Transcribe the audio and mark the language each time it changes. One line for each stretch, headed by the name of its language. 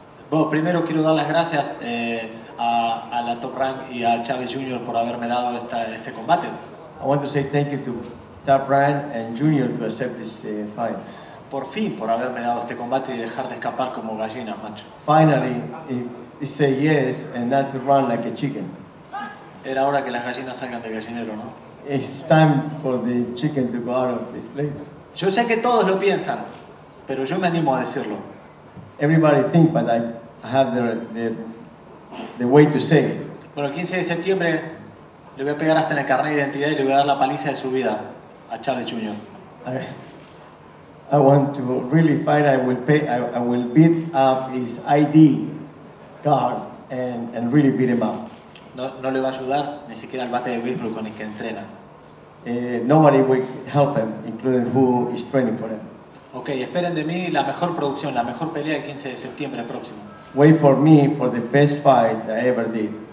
Spanish: Bueno, primero quiero dar las gracias a la Top Rank y a Chavez Jr. por haberme dado este combate.
English: I want to say thank you to Top Rank and Jr. to accept this fight.
Spanish: Por fin, por haberme dado este combate y dejar de escapar como gallina, macho.
English: Finally, he said yes and not to run like a chicken.
Spanish: Era hora que las gallinas salgan del gallinero, ¿no?
English: It's time for the chicken to go out of this place.
Spanish: Yo sé que todos lo piensan, pero yo me animo a decirlo.
English: Everybody think, but I have the way to say it.
Spanish: Bueno, el 15 de septiembre le voy a pegar hasta en el carnet de identidad y le voy a dar la paliza de su vida a Chavez Jr.
English: I want to really fight. I will beat up his ID card and really beat him up.
Spanish: No le va a ayudar ni siquiera el bate de béisbol con el que entrena.
English: Nobody will help him, including who is training for him. Okay,
Spanish: esperen de mí la mejor producción, la mejor pelea el 15 de septiembre próximo.
English: Wait for me for the best fight I ever did.